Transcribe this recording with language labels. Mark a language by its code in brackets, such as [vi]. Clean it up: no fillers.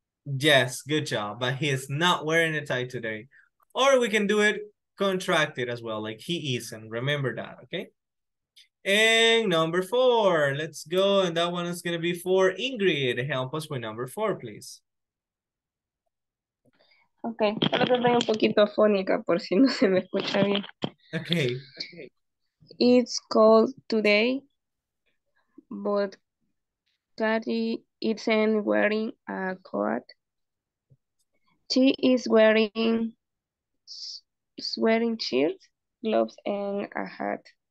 [en] Yes, good job. But he is not wearing a tie today. Or we can do it contracted as well, like he isn't. Remember that, okay? And number four, let's go. And that one is going to be for Ingrid. Help us with number four, please. [es] Okay, creo que estoy un poquito fónica por si no se me escucha bien. [en] Okay. It's cold today, but Kathy isn't wearing a coat. She is wearing sweating shirt, gloves, and a hat.